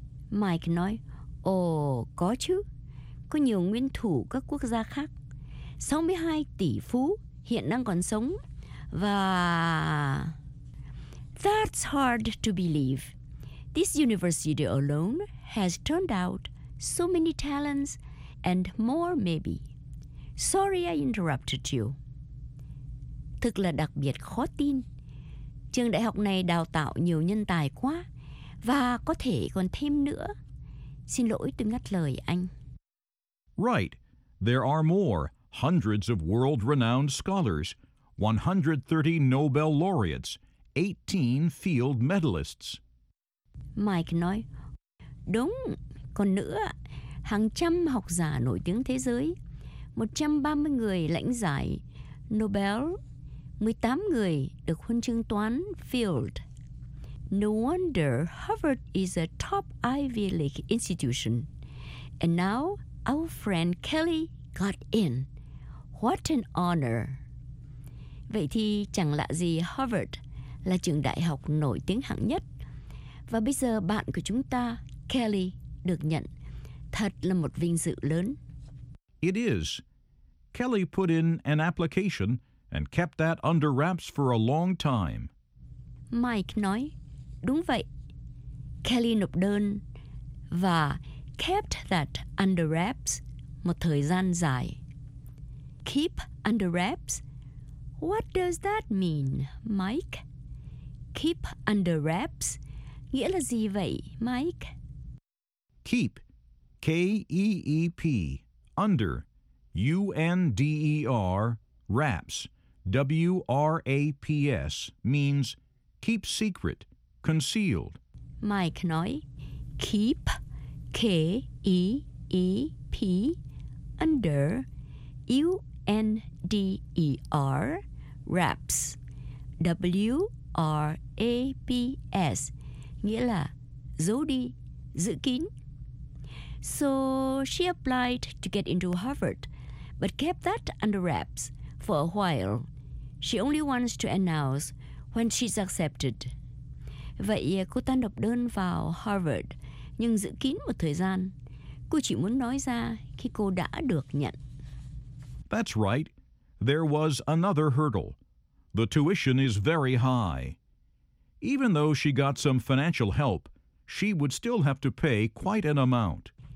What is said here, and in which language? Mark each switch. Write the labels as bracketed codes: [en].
[vi] Mike nói, có chứ, có nhiều nguyên thủ các quốc gia khác, 62 tỷ phú hiện đang còn sống, và... [en] That's hard to believe. This university alone has turned out so many talents and more maybe. Sorry I interrupted you. [vi] Thực là đặc biệt khó tin. Trường đại học này đào tạo nhiều nhân tài quá và có thể còn thêm nữa. Xin lỗi tôi ngắt lời anh. [en] Right. There are more, hundreds of world-renowned scholars, 130 Nobel laureates, 18 field medalists. [vi] Mike nói, đúng, còn nữa, hàng trăm học giả nổi tiếng thế giới, 130 người lãnh giải Nobel, 18 người được huân chương toán Field. [en] No wonder Harvard is a top Ivy League institution. And now our friend Kelly got in. What an honor. [vi] Vậy thì chẳng lạ gì Harvard là trường đại học nổi tiếng hạng nhất. Và bây giờ bạn của chúng ta, Kelly, được nhận. Thật là một vinh dự lớn. [en] It is. Kelly put in an application and kept that under wraps for a long time. [vi] Mike nói, đúng vậy. Kelly nộp đơn và [en] kept that under wraps [vi] một thời gian dài. [en] Keep under wraps? What does that mean, Mike? [vi] Keep under wraps nghĩa là gì vậy, Mike? [en] Keep, K-E-E-P, under, U-N-D-E-R, wraps, W-R-A-P-S, means keep secret, concealed. [vi] Mike nói, keep, K-E-E-P, under, U-N-D-E-R, wraps, W-R-A-P-S, nghĩa là giấu đi, giữ kín. [en] So she applied to get into Harvard, but kept that under wraps for a while. She only wants to announce when she's accepted. [vi] Vậy cô ta nộp đơn vào Harvard, nhưng giữ kín một thời gian. Cô chỉ muốn nói ra khi cô đã được nhận. [en] That's right. There was another hurdle. The tuition is very high. Even though she got some financial help, she would still have to pay quite an amount.